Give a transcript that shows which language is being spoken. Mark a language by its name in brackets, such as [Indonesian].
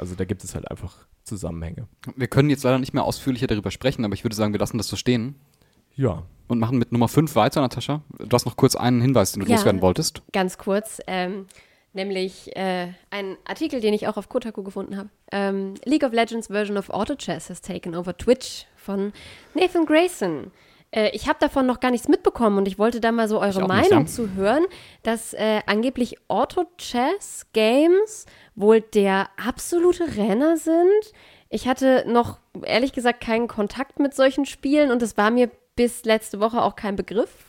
[German] Also da gibt es halt einfach Zusammenhänge. Wir können jetzt leider nicht mehr ausführlicher darüber sprechen, aber ich würde sagen, wir lassen das so stehen. Ja. Und machen mit Nummer 5 weiter, Natascha. Du hast noch kurz einen Hinweis, den du loswerden wolltest. Ganz kurz. Nämlich ein Artikel, den ich auch auf Kotaku gefunden habe. [English] League of Legends Version of Auto Chess has taken over Twitch [German] von [English] Nathan Grayson. [German] Ich habe davon noch gar nichts mitbekommen und ich wollte da mal so eure Meinung zu hören, dass angeblich Auto Chess Games wohl der absolute Renner sind. Ich hatte noch ehrlich gesagt keinen Kontakt mit solchen Spielen und es war mir bis letzte Woche auch kein Begriff.